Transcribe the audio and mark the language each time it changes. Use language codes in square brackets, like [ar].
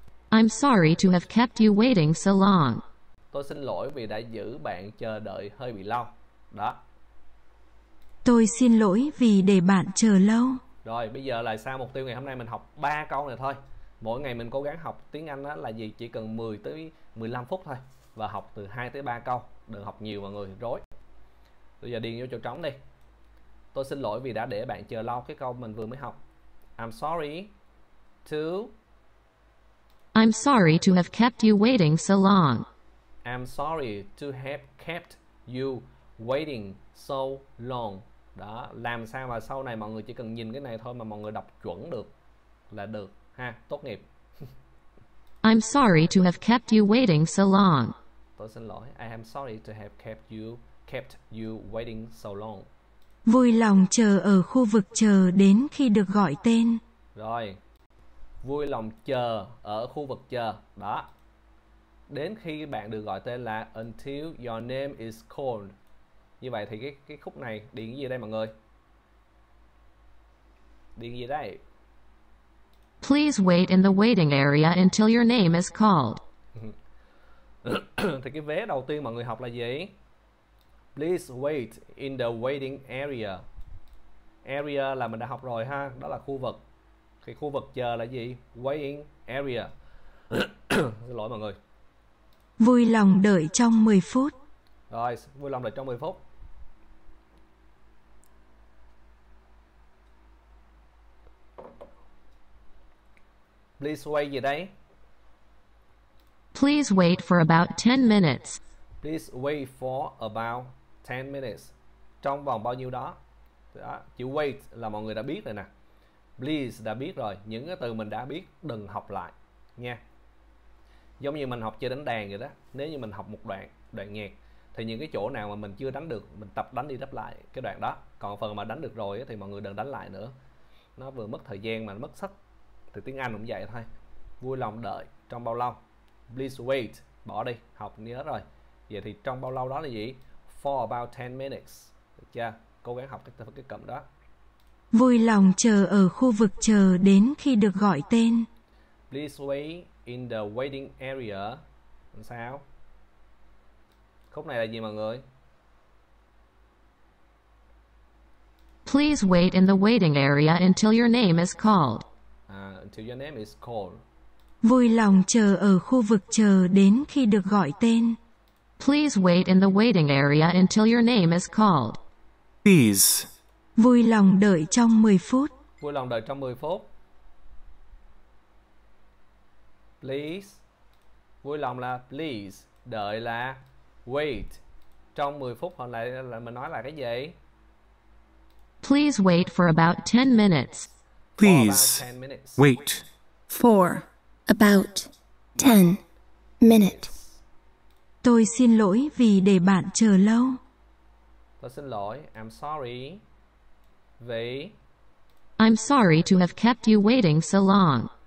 [en] I'm sorry to have kept you waiting so long. [vi] Tôi xin lỗi vì đã giữ bạn chờ đợi hơi bị lâu. Đó. Tôi xin lỗi vì để bạn chờ lâu. Rồi, bây giờ là sao mục tiêu ngày hôm nay mình học 3 câu này thôi. Mỗi ngày mình cố gắng học tiếng Anh là gì chỉ cần 10 tới 15 phút thôi. Và học từ 2 tới 3 câu. Đừng học nhiều mọi người, rối. Bây giờ điền vô chỗ trống đi. Tôi xin lỗi vì đã để bạn chờ lâu, cái câu mình vừa mới học. [en] I'm sorry to... I'm sorry to have kept you waiting so long. I'm sorry to have kept you waiting so long. [vi] Đó, làm sao mà sau này mọi người chỉ cần nhìn cái này thôi mà mọi người đọc chuẩn được là được ha, tốt nghiệp. [en] I'm sorry to have kept you waiting so long. [vi] Tôi xin lỗi. [en] I am sorry to have kept you waiting so long. [vi] Vui lòng chờ ở khu vực chờ đến khi được gọi tên. Rồi. Vui lòng chờ ở khu vực chờ, đó. Đến khi bạn được gọi tên là [en] until your name is called. [vi] Như vậy thì cái khúc này điền cái gì đây mọi người? Điền gì đây? [en] Please wait in the waiting area until your name is called. [vi] Thì cái vế đầu tiên mọi người học là gì? [en] Please wait in the waiting area. [vi] Area là mình đã học rồi ha, đó là khu vực. Cái khu vực chờ là gì? [en] Waiting area. [vi] Xin lỗi mọi người. Vui lòng đợi trong 10 phút. Rồi, vui lòng đợi trong 10 phút. [en] Please wait [vi] gì đây? [en] Please wait for about 10 minutes. Please wait for about 10 minutes. [vi] Trong vòng bao nhiêu đó? Đó. Chữ wait là mọi người đã biết rồi nè. Please đã biết rồi. Những cái từ mình đã biết đừng học lại nha. Giống như mình học chơi đánh đàn vậy đó. Nếu như mình học một đoạn nhạc thì những cái chỗ nào mà mình chưa đánh được mình tập đánh đi đáp lại cái đoạn đó. Còn phần mà đánh được rồi thì mọi người đừng đánh lại nữa. Nó vừa mất thời gian mà mất sức. Thì tiếng Anh cũng vậy thôi. Vui lòng đợi trong bao lâu? [en] Please wait. [vi] Bỏ đi. Học nhớ rồi. Vậy thì trong bao lâu đó là gì? [en] For about 10 minutes. [vi] Được chưa? Cố gắng học cái cụm đó. Vui lòng chờ ở khu vực chờ đến khi được gọi tên. [en] Please wait in the waiting area. [vi] Làm sao? Khúc này là gì mọi người? [en] Please wait in the waiting area until your name is called. Until your name is called. [vi] Vui lòng chờ ở khu vực chờ đến khi được gọi tên. [en] Please wait in the waiting area until your name is called. Please. [vi] Vui lòng đợi trong 10 phút. Vui lòng đợi trong 10 phút. Please. Vui lòng là please. Đợi là wait. Trong 10 phút hồi nãy là mình nói là cái gì? [en] Please wait for about 10 minutes. Please wait for about 10 minutes. [vi] Tôi xin lỗi vì để bạn chờ lâu. Tôi xin lỗi. [en] I'm sorry. [vi] Vì. [en] I'm sorry to have kept you waiting so long.